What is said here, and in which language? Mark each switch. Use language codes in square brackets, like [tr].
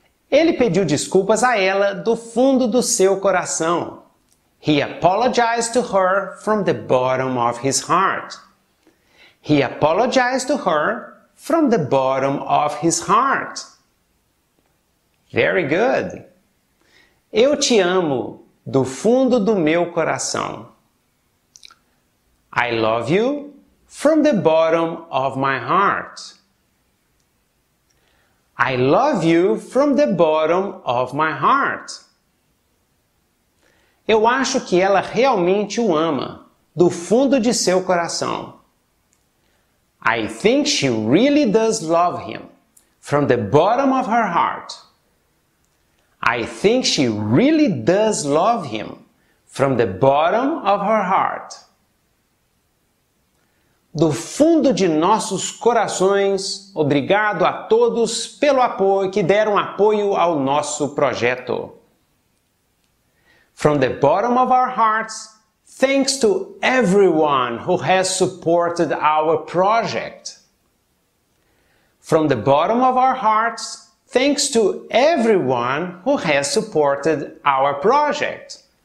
[pt] Ele pediu desculpas a ela do fundo do seu coração. [en] He apologized to her from the bottom of his heart. He apologized to her from the bottom of his heart. Very good. [pt] Eu te amo do fundo do meu coração. [en] I love you from the bottom of my heart. I love you from the bottom of my heart. [pt] Eu acho que ela realmente o ama, do fundo de seu coração. [en] I think she really does love him, from the bottom of her heart. I think she really does love him, from the bottom of her heart. [pt] Do fundo de nossos corações, obrigado a todos pelo apoio que deram apoio ao nosso projeto. [en] From the bottom of our hearts, thanks to everyone who has supported our project. From the bottom of our hearts, thanks to everyone who has supported our project.